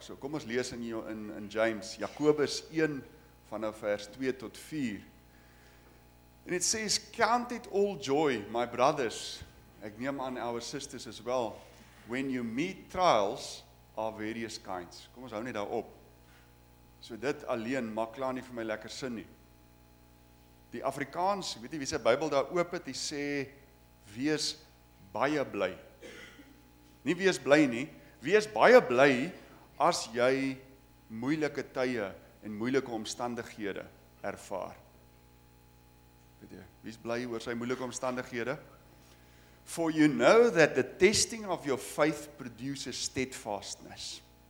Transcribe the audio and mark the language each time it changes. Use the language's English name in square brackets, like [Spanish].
[Afrikaans] So kom ons lees in James, Jakobus 1, vanaf vers 2 tot 4. [English] And it says, count it all joy, my brothers, [Afrikaans] ek neem aan [English] our sisters as well, when you meet trials of various kinds. [Afrikaans] Kom ons hou net daar op. So dit alleen maak klaar nie vir my lekker sin nie. Die Afrikaans, weet jy wie se Bybel daar oop het, die sê, wees baie bly. Nie wees bly nie, wees baie bly as jy moeilike tye en moeilike omstandighede ervaar. Weet jy, wees bly oor sy moeilike omstandighede? [English] For you know that the testing of your faith produces steadfastness.